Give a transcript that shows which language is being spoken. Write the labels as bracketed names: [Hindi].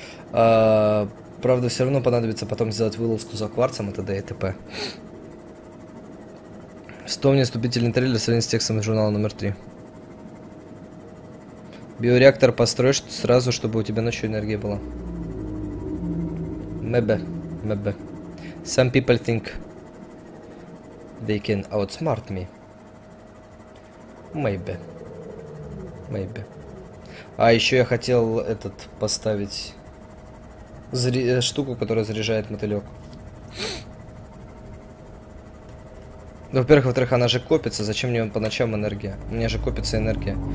[Russian] Правда, все равно понадобится потом сделать вылазку за кварцем и т.д. и т.п. Вспомни вступительный трейлер сравнить с текстом журнала номер 3. Биореактор построишь сразу, чтобы у тебя ночью энергия была. [English] Maybe, maybe. Some people think they can outsmart me. Maybe. Maybe. [Russian] А еще я хотел этот поставить штуку, которая заряжает мотылек. Ну, во-первых, во-вторых, она же копится. Зачем мне по ночам энергия? У меня же копится энергия.